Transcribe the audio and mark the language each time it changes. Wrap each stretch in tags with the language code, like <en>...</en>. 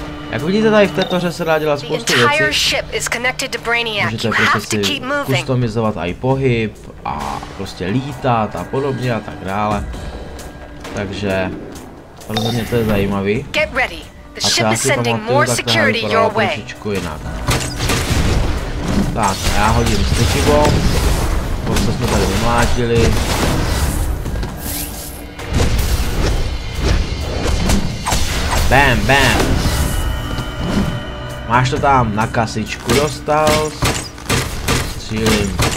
<cs>Jak vidíte, tady v této hře se dá dělat spoustu věcí. Můžete prostě si kustomizovat i pohyb a prostě lítat a podobně a tak dále. Takže rozhodně to je zajímavý.</cs> <en>Get ready. The ship is sending more security your way.</en> <cs>Tak, já hodím Sticky Bomb. Prostě jsme tady vymlátili. Bam, bam. Máš to tam na kasičku dostal. Střílím.</cs>